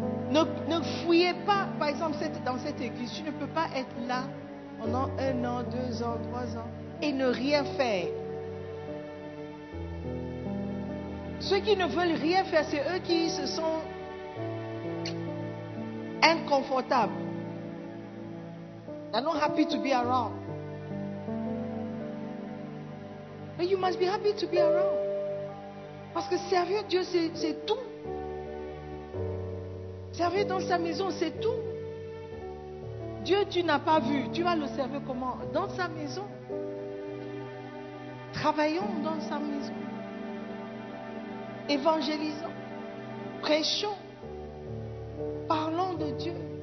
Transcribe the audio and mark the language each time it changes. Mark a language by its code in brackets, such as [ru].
[fr] Ne fuyez pas, par exemple, dans cette église. Tu ne peux pas être là pendant un an, deux ans, trois ans et ne rien faire. Ceux qui ne veulent rien faire, c'est eux qui se sont inconfortables. [en] They're not happy to be around. But you must be happy to be around. [fr] Parce que servir Dieu, c'est tout. Servir dans sa maison, c'est tout. Dieu, tu n'as pas vu. Tu vas le servir comment? Dans sa maison. Travaillons dans sa maison. Évangélisons, prêchons, parlons de Dieu.